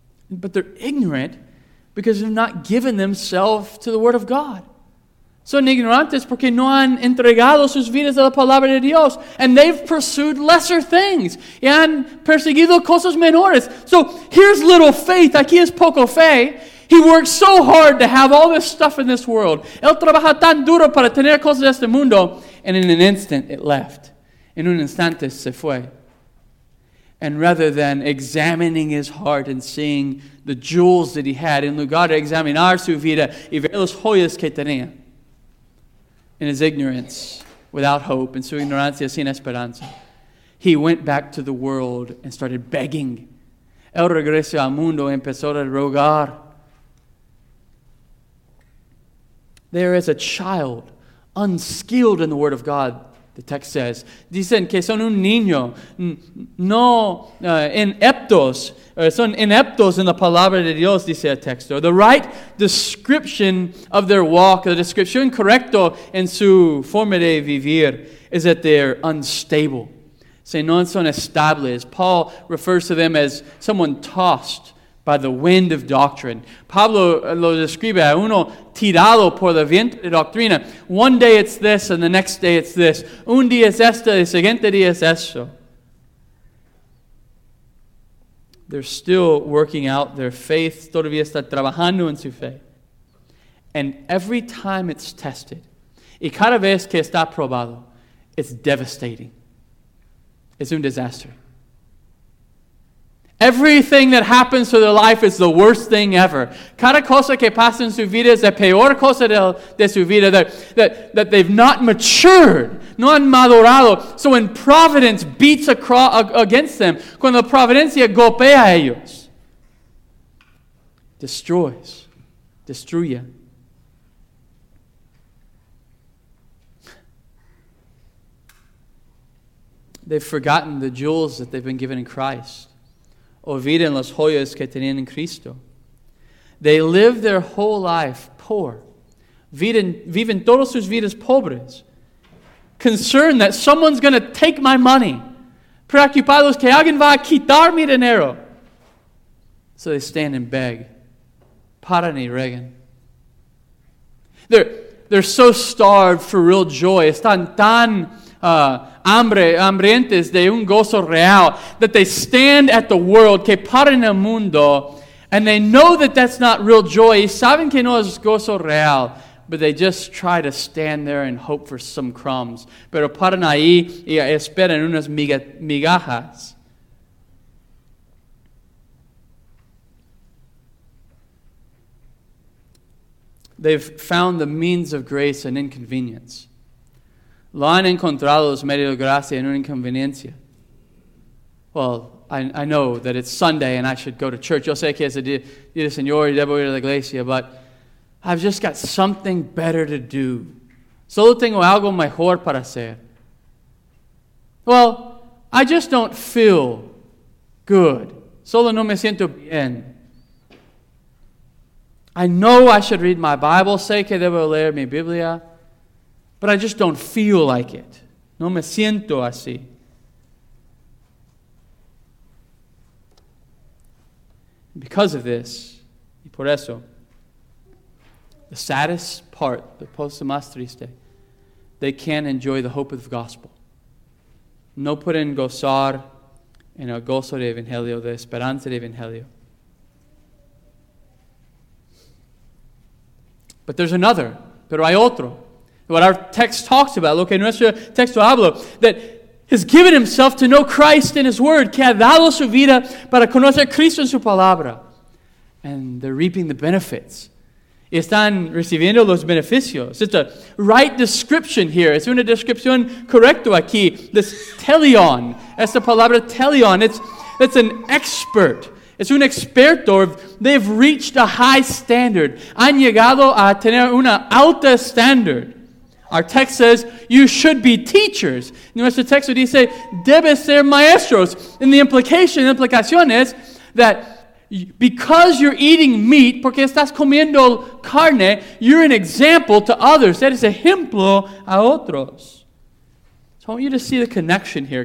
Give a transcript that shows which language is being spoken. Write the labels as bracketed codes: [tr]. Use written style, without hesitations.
[en] But they're ignorant because they've not given themselves to the Word of God. [es] Son ignorantes porque no han entregado sus vidas a la Palabra de Dios. [en] And they've pursued lesser things. [es] Y han perseguido cosas menores. [en] So here's little faith. [es] Aquí es poco fe. [en] He worked so hard to have all this stuff in this world. [es] Él trabaja tan duro para tener cosas de este mundo. [en] And in an instant, it left. [es] En un instante, se fue. [en] And rather than examining his heart and seeing the jewels that he had, [es] en lugar de examinar su vida y ver las joyas que tenía, [en] in his ignorance, without hope, [es] en su ignorancia, sin esperanza, [en] he went back to the world and started begging. [es] El regreso al mundo empezó a rogar. [en] There is a child unskilled in the Word of God. The text says, [es] dicen que son un niño, no ineptos, son ineptos en la palabra de Dios, dice el texto. [en] The right description of their walk, the description [es] correcto en su forma de vivir, [en] is that they're unstable. [es] Se no son estables. [en] Paul refers to them as someone tossed by the wind of doctrine. [es] Pablo lo describe a uno tirado por el viento de doctrina. [en] One day it's this, and the next day it's this. [es] Un día es esto, el siguiente día es eso. [en] They're still working out their faith. [es] Todavía está trabajando en su fe. [en] And every time it's tested, [es] y cada vez que está probado, [en] it's devastating. It's un disaster. Everything that happens to their life is the worst thing ever. [es] Cada cosa que pasa en su vida es la peor cosa de su vida. [en] That they've not matured. [es] No han madurado. [en] So when providence beats against them, [es] cuando la providencia golpea a ellos, destruye. [en] They've forgotten the jewels that they've been given in Christ. [es] Olviden las joyas que tenían en Cristo. [en] They live their whole life poor. [es] Viven todas sus vidas pobres. [en] Concerned that someone's going to take my money. [es] Preocupados que alguien va a quitar mi dinero. [en] So they stand and beg. [es] Paran y regan. [en] They're so starved for real joy. [es] Están tan hambrientes de un gozo real, [en] that they stand at the world, [es] que paran el mundo, [en] and they know that that's not real joy, [es] saben que no es gozo real, [en] but they just try to stand there and hope for some crumbs. [es] Pero paran ahí y esperan unas migajas. [en] They've found the means of grace an inconvenience. [es] Lo han encontrado los medios de gracia en una inconveniencia. [en] Well, I know that it's Sunday and I should go to church. [es] Yo sé que es el día del Señor y debo ir a la iglesia, [en] but I've just got something better to do. [es] Solo tengo algo mejor para hacer. [en] Well, I just don't feel good. [es] Solo no me siento bien. [en] I know I should read my Bible. [es] Sé que debo leer mi Biblia. [en] But I just don't feel like it. [es] No me siento así. [en] Because of this, [es] y por eso, [en] the saddest part, the [es] cosa más triste, [en] they can't enjoy the hope of the gospel. [es] No pueden gozar en el gozo de evangelio, de esperanza de evangelio. [en] But there's another, [es] pero hay otro. [en] What our text talks about, [es] lo que nuestro texto habla, [en] that has given himself to know Christ in his word, [es] que ha dado su vida para conocer Cristo en su palabra. [en] And they're reaping the benefits. [es] Están recibiendo los beneficios. [en] It's a right description here. [es] Es una descripción correcta aquí. [en] This teleon, [es] es la palabra teleon. [en] It's an expert. [es] Es un experto. [en] They've reached a high standard. [es] Han llegado a tener una alta standard. [en] Our text says, you should be teachers. [es] Nuestro texto dice, debes ser maestros. [en] And the implication is that because you're eating meat, [es] porque estás comiendo carne, [en] you're an example to others. [es] Eres ejemplo a otros. [en] So I want you to see the connection here.